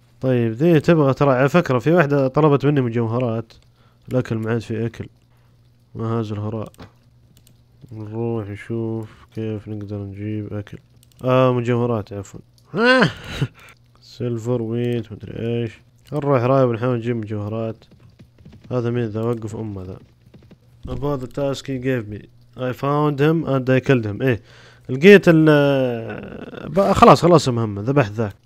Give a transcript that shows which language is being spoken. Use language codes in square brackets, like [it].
[ar] طيب ذي تبغى ترى على فكرة في واحدة طلبت مني مجوهرات، الاكل ما عاد في اكل. ما هذا الهراء؟ نروح نشوف كيف نقدر نجيب اكل. مجوهرات عفوا. سيلفر ويت مدري ايش. نروح رايب نحاول نجيب مجوهرات. هذا مين ذا؟ وقف ام ذا. [en] About the task he gave me. I found him and I killed him. [ar] ايه لقيت ال خلاص المهمة، ذبحت ذاك.